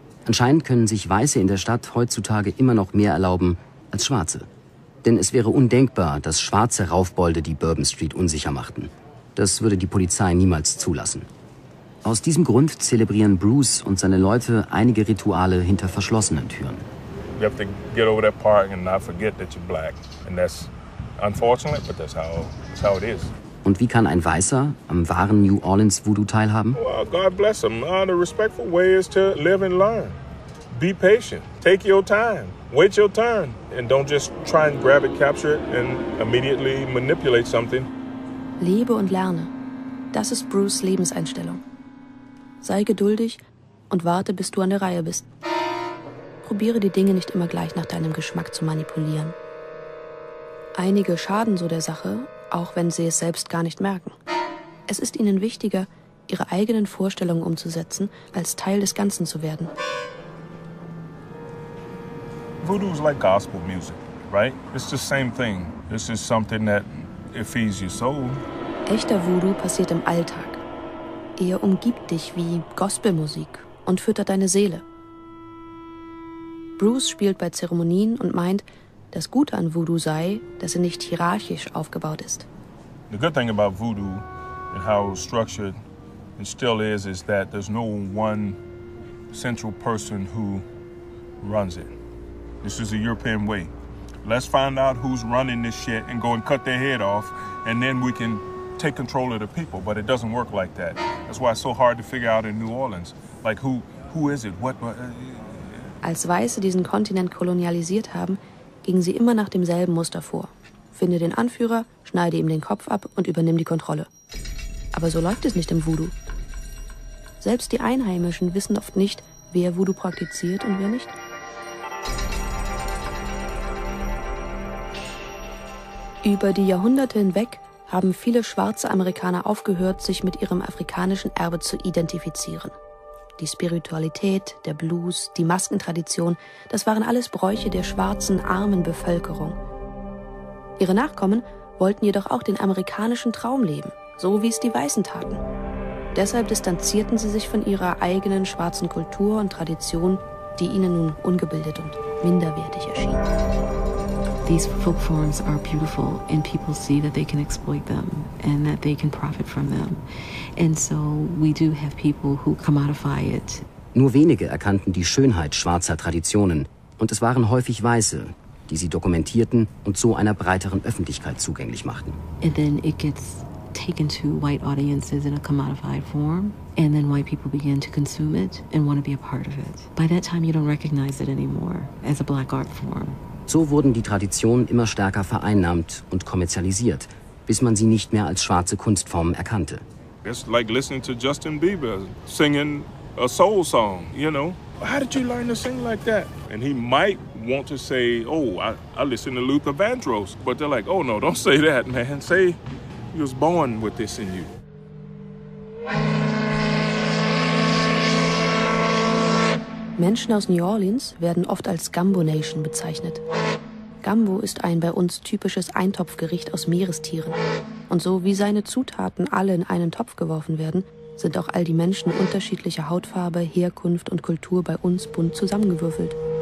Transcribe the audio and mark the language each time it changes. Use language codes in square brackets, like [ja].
[de] Anscheinend können sich Weiße in der Stadt heutzutage immer noch mehr erlauben als Schwarze. Denn es wäre undenkbar, dass schwarze Raufbolde die Bourbon Street unsicher machten. Das würde die Polizei niemals zulassen. Aus diesem Grund zelebrieren Bruce und seine Leute einige Rituale hinter verschlossenen Türen. [en] You have to get over that park and not forget that you're black. And that's unfortunate, but that's how it is. [de] Und wie kann ein Weißer am wahren New Orleans Voodoo teilhaben? [en] Well, God bless him. The respectful way is to live and learn. be patient. Take your time. Wait your turn. And don't just try and grab it, capture it, and immediately manipulate something. [de] Lebe und lerne. Das ist Bruce' Lebenseinstellung. Sei geduldig und warte, bis du an der Reihe bist. Probiere die Dinge nicht immer gleich nach deinem Geschmack zu manipulieren. Einige schaden so der Sache, auch wenn sie es selbst gar nicht merken. Es ist ihnen wichtiger, ihre eigenen Vorstellungen umzusetzen, als Teil des Ganzen zu werden. [en] Voodoo is like gospel music, right? It's the same thing. This is something that it feeds your soul. [de] Echter Voodoo passiert im Alltag. Er umgibt dich wie Gospelmusik und füttert deine Seele. Bruce spielt bei Zeremonien und meint, das Gute an Voodoo sei, dass er nicht hierarchisch aufgebaut ist. [en] The good thing about Voodoo and how it's structured and still is that there's no one central person who runs it. This is a European way. Let's find out who's running this shit and go and cut their head off, and then we can take control of the people. But it doesn't work like that. That's why it's so hard to figure out in New Orleans. Like, who is it? [de] Als Weiße diesen Kontinent kolonialisiert haben, gingen sie immer nach demselben Muster vor. Finde den Anführer, schneide ihm den Kopf ab und übernimm die Kontrolle. Aber so läuft es nicht im Voodoo. Selbst die Einheimischen wissen oft nicht, wer Voodoo praktiziert und wer nicht. Über die Jahrhunderte hinweg haben viele schwarze Amerikaner aufgehört, sich mit ihrem afrikanischen Erbe zu identifizieren. Die Spiritualität, der Blues, die Maskentradition, das waren alles Bräuche der schwarzen, armen Bevölkerung. Ihre Nachkommen wollten jedoch auch den amerikanischen Traum leben, so wie es die Weißen taten. Deshalb distanzierten sie sich von ihrer eigenen schwarzen Kultur und Tradition, die ihnen nun ungebildet und minderwertig erschien. [en] These folk forms are beautiful, and people see that they can exploit them and that they can profit from them. And so we do have people who commodify it. [de] Nur wenige erkannten die Schönheit schwarzer Traditionen, und es waren häufig Weiße, die sie dokumentierten und so einer breiteren Öffentlichkeit zugänglich machten. [en] And then it gets taken to white audiences in a commodified form, and then white people begin to consume it and want to be a part of it. By that time, you don't recognize it anymore as a black art form. [de] So wurden die Traditionen immer stärker vereinnahmt und kommerzialisiert, bis man sie nicht mehr als schwarze Kunstformen erkannte. [en] It's like listening to Justin Bieber singing a soul song, you know. How did you learn to sing like that? And he might want to say, oh, I listen to Luther Vandross. But they're like, oh no, don't say that, man. Say you was born with this in you. [de] Menschen aus New Orleans werden oft als Gumbo Nation bezeichnet. Gumbo ist ein bei uns typisches Eintopfgericht aus Meerestieren. Und so wie seine Zutaten alle in einen Topf geworfen werden, sind auch all die Menschen unterschiedlicher Hautfarbe, Herkunft und Kultur bei uns bunt zusammengewürfelt.